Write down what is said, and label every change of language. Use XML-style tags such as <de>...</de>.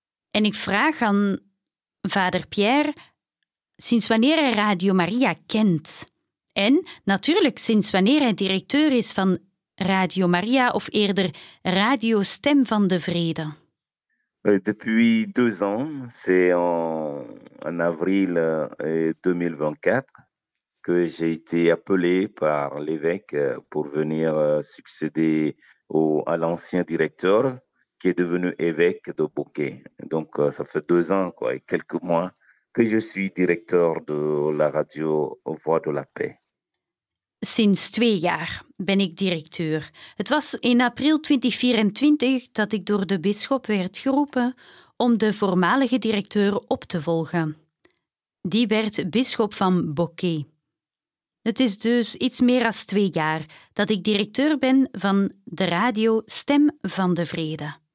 <nl>En ik vraag aan vader Pierre, sinds wanneer hij Radio Maria kent? En natuurlijk sinds wanneer hij directeur is van Radio Maria, of eerder Radio Stem van de Vrede.</nl> <fr>Depuis 2 ans, c'est en avril 2024 que j'ai été appelé par l'évêque pour venir succéder à l'ancien directeur qui est devenu évêque de Bokeh. Donc ça fait 2 ans quoi, et quelques mois que je suis directeur de la radio Voix de la Paix.</fr> <nl>Sinds 2 jaar ben ik directeur. Het was in april 2024 dat ik door de bisschop werd geroepen om de voormalige directeur op te volgen. Die werd bisschop van Bokeh. Het is dus iets meer dan 2 jaar dat ik directeur ben van de radio Stem van de Vrede.</nl>